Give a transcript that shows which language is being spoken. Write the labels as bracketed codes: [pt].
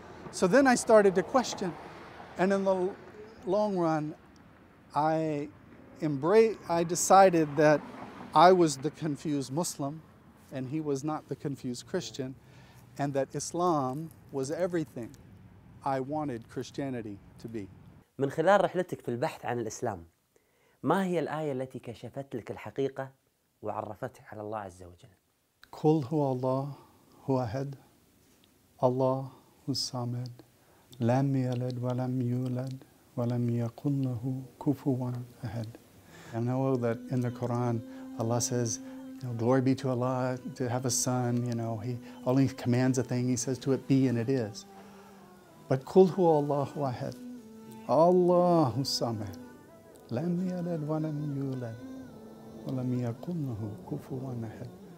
[en] So then I started to question. And in the long run, I decided that I was the confused Muslim and he was not the confused Christian, and that Islam was everything I wanted Christianity to be. [ar] من خلال رحلتك في البحث عن الإسلام، ما هي الآية التي كشفت لك الحقيقة وعرفتك على الله عز وجل؟ قل هو الله هو أحد الله الصمد لم يلد ولم يولد ولم يكن له كفوا أحد. [en] I know that in the Quran Allah says, you know, glory be to Allah, to have a son, you know, He only commands a thing, He says to it, be, and it is. [ar] But قُلْ هُوَ اللَّهُ أَحَدٌ اللَّهُ الصَّمَدُ لَمْ يَلِدْ وَلَمْ يُولَدْ وَلَمْ يَكُنْ لَهُ كُفُوًا أَحَدٌ.